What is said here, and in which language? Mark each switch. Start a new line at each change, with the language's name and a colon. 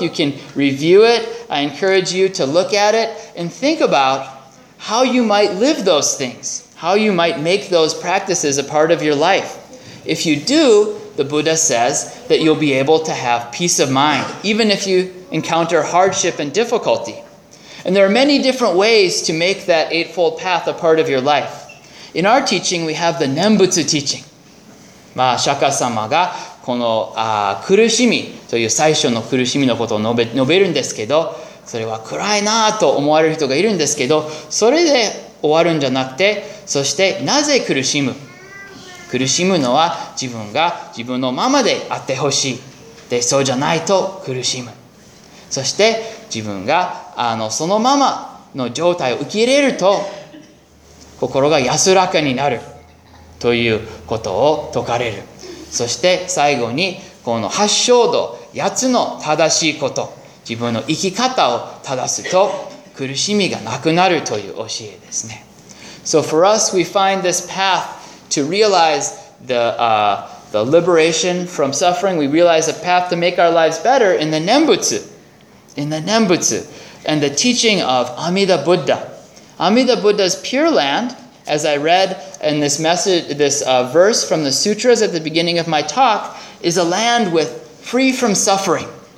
English: You can review it. I encourage you to look at it and think about how you might live those things, how you might make those practices a part of your life. If you do, the Buddha says that you'll be able to have peace of mind, even if you encounter hardship and difficulty. And there are many different ways to make that Eightfold Path a part of your life. In our teaching, we have the Nembutsu teaching.
Japanese: まあ、釈迦様がこの苦しみという最初の苦しみのことを述べるんですけど、それは暗いなと思われる人がいるんですけど、それで終わるんじゃなくて、そしてなぜ苦しむ？苦しむのは自分が自分のままであってほしい。で、そうじゃないと苦しむ。そして自分がそのままの状態を受け入れると心が安らかになるということを説かれる。そして最後にこの八正道、八つの正しいこと、自分の生き方を正すと苦しみがなくなるという教えですね。
English: So for us, we find this path to realize the liberation from suffering. We realize a path to make our lives better in the Nembutsu. In the Nembutsu and the teaching of Amida Buddha. Amida Buddha's Pure Land, as I read in this message, this verse from the sutras at the beginning of my talk, is a land with free from suffering.